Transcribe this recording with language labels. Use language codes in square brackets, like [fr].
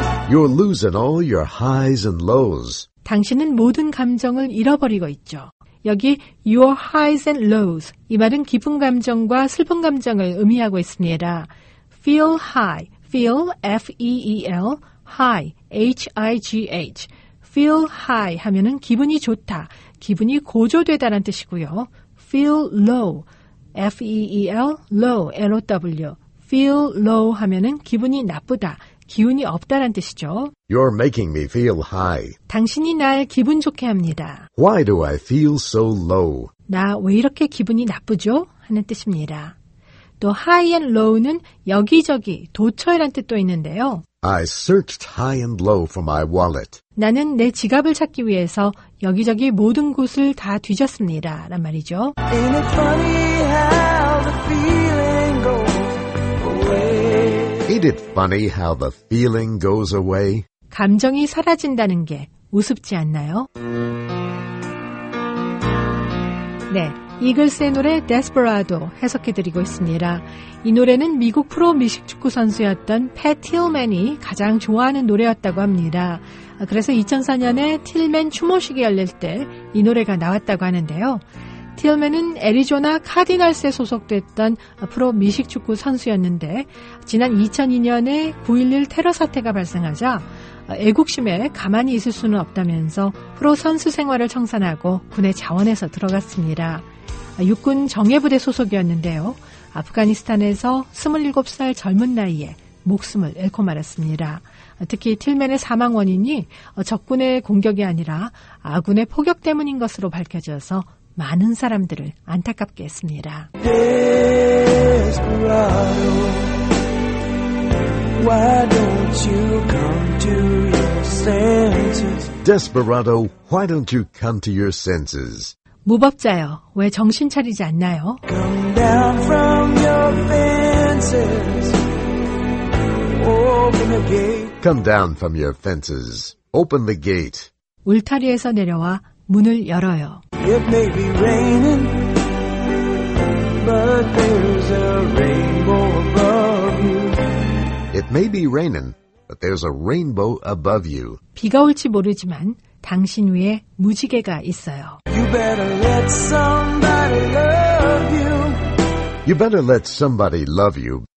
[en] You're losing all your highs and lows. [ko] 당신은 모든 감정을 잃어버리고 있죠. 여기 [en] your highs and lows [ko] 이 말은 기쁜 감정과 슬픈 감정을 의미하고 있습니다. [en] Feel high. Feel, F-E-E-L, high, H-I-G-H. Feel high [ko] 하면은 기분이 좋다, 기분이 고조되다라는 뜻이고요. [en] Feel low, F-E-E-L, low, L-O-W. Feel low [ko] 하면은 기분이 나쁘다, 기운이 없다라는 뜻이죠. [en] You're making me feel high. [ko] 당신이 날 기분 좋게 합니다. [en] Why do I feel so low? [ko] 나 왜 이렇게 기분이 나쁘죠? 하는 뜻입니다. 또 [en] high and low [ko] 는 여기저기 도처이란 뜻도 있는데요. [en] I searched high and low for my wallet. [ko] 나는 내 지갑을 찾기 위해서 여기저기 모든 곳을 다 뒤졌습니다. 란 말이죠. [en] Ain't it funny how the feeling goes away? Ain't it funny how the feeling goes away? [ko] 감정이 사라진다는 게 우습지 않나요? 네. 이글스의 노래 Desperado 해석해드리고 있습니다. 이 노래는 미국 프로 미식축구 선수였던 팻 틸맨이 가장 좋아하는 노래였다고 합니다. 그래서 2004년에 틸맨 추모식이 열릴 때 이 노래가 나왔다고 하는데요. 틸맨은 애리조나 카디널스에 소속됐던 프로 미식축구 선수였는데 지난 2002년에 9.11 테러 사태가 발생하자 애국심에 가만히 있을 수는 없다면서 프로 선수 생활을 청산하고 군에 자원해서 들어갔습니다. 육군 정예부대 소속이었는데요. 아프가니스탄에서 27살 젊은 나이에 목숨을 잃고 말았습니다. 특히 틸맨의 사망 원인이 적군의 공격이 아니라 아군의 포격 때문인 것으로 밝혀져서 많은 사람들을 안타깝게 했습니다. [en] Desperado, why don't you come to your senses? Desperado, why don't you come to your senses? [ko] 무법자여, 왜 정신 차리지 않나요? [en] Come down from your fences, open the gate. Come down from your fences, open the gate. [ko] 울타리에서 내려와 문을 열어요. [en] It may be raining, but there's a rainbow above you. It may be raining, but there's a rainbow above you. [ko] 비가 올지 모르지만 당신 위에 무지개가 있어요. [en] You better let somebody love you. You better let somebody love you.